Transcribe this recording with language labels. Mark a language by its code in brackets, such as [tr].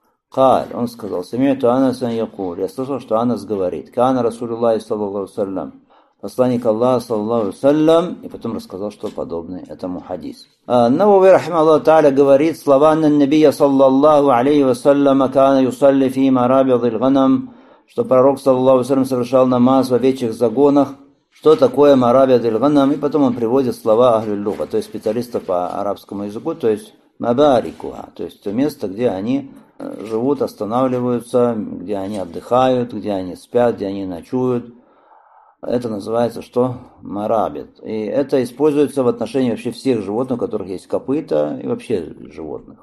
[ar] قال [ru] он сказал [ar] سمعت انس يقول [ru] я слышал, что Анас говорит [ar] كان رسول الله صلى الله عليه وسلم [ru] посланник Аллаха [ar] صلى الله عليه وسلم [ru] и потом рассказал, что подобный этому хадис. [ar] النووي رحمه الله تعالى [ru] говорит слова [ar] ان النبي صلى الله عليه وسلم كان يصلي في مرابض الغنم, [ru] что пророк [ar] صلى الله عليه وسلم [ru] совершал намаз в овечьих загонах. Что такое [ar] مرابض الغنم? [ru] И потом он приводит слова [ar] اهل اللغه, [ru] то есть специалистов по арабскому языку, то есть мабарикуа, то есть то место, где они живут, останавливаются, где они отдыхают, где они спят, где они ночуют. Это называется что? Марабит. И это используется в отношении вообще всех животных, у которых есть копыта, и вообще животных.